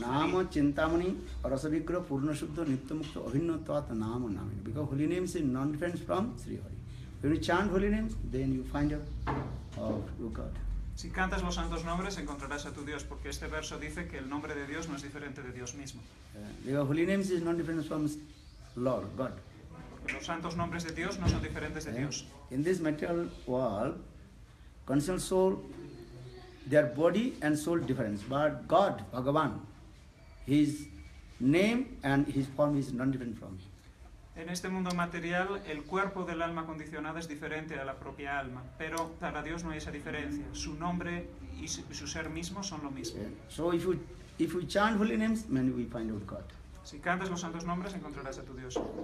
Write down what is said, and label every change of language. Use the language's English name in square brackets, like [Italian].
[Sanskrit] Namo Chintamani Rasavigra Purna Shuddha Nitya Mukta Abhinna Tvata Namo Namo. [English] Because holy names are non-different from Sri Hari. When you chant holy names, then you find your God. [Spanish] Si cantas los santos nombres, encontrarás a tu Dios, porque este verso dice que el nombre de Dios no es diferente de Dios mismo. [English] Because holy names are non-different from Lord, God. [Spanish] Los santos nombres de Dios no son diferentes de Dios. [English] In this material world, conscious soul, their body and soul difference. But God, Bhagavan, His name and His form is not different from Him. [Spanish] En este mundo material, el cuerpo del alma condicionada es diferente a la propia alma. Pero para Dios no hay esa diferencia. Su nombre y su ser mismo son lo mismo. [English] So if we chant holy names, then we find out God. [Spanish] Si cantas los santos nombres, encontrarás a tu Dios.